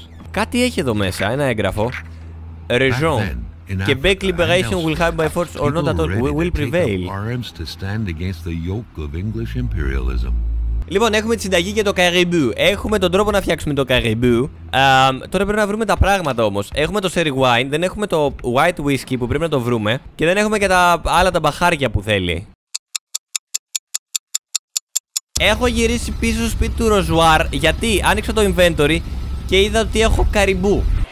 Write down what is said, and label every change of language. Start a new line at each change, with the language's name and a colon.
Greek: Κάτι έχει εδώ μέσα, ένα έγγραφο.
French: Région.
Greek: Και
English: Beck Liberation will have by force or not at all. We will prevail. To stand against the yoke of English imperialism.
Greek: Λοιπόν, έχουμε τη συνταγή για το καριμπού. Έχουμε τον τρόπο να φτιάξουμε το καριμπού. Τώρα πρέπει να βρούμε τα πράγματα όμως. Έχουμε το sherry wine, δεν έχουμε το white whiskey που πρέπει να το βρούμε. Και δεν έχουμε και τα άλλα τα μπαχάρια που θέλει. Έχω γυρίσει πίσω στο σπίτι του Ροζουάρ γιατί άνοιξα το inventory και είδα ότι έχω καριμπού.